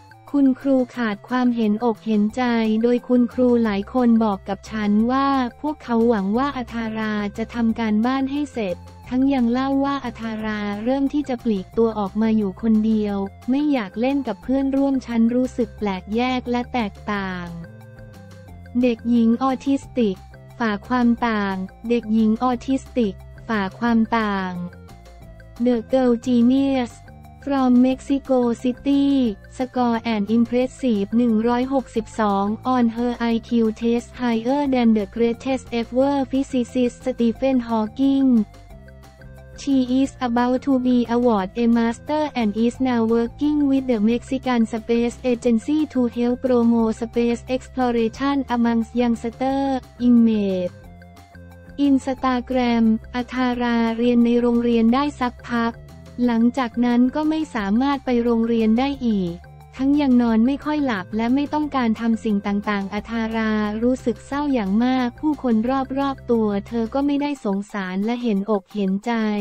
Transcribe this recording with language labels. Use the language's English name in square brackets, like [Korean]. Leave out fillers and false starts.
[Thai] คุณครูขาดความเห็นอกเห็นใจโดยคุณครูหลายคนบอกกับฉันว่าพวกเขาหวังว่าอัทาราจะทำการบ้านให้เสร็จทั้งยังเล่าว่าอัทาราเริ่มที่จะปลีกตัวออกมาอยู่คนเดียวไม่อยากเล่นกับเพื่อนร่วมชั้นรู้สึกแปลกแยกและแตกต่างเด็กหญิงออทิสติกฝ่าความต่างเด็กหญิงออทิสติกฝ่าความต่าง [English] The Girl Genius from Mexico City score an impressive 162 on her IQ test higher than the greatest ever physicist Stephen Hawking. She is about to be awarded a master and is now working with the Mexican Space Agency to help promote space exploration amongst youngsters, inmate. [Thai] Instagram อาทาราเรียนในโรงเรียนได้สักพักหลังจากนั้นก็ไม่สามารถไปโรงเรียนได้อีกทั้งยังนอนไม่ค่อยหลับและไม่ต้องการทำสิ่งต่างๆอาทารารู้สึกเศร้าอย่างมากผู้คนรอบๆตัวเธอก็ไม่ได้สงสารและเห็นอกเห็นใจ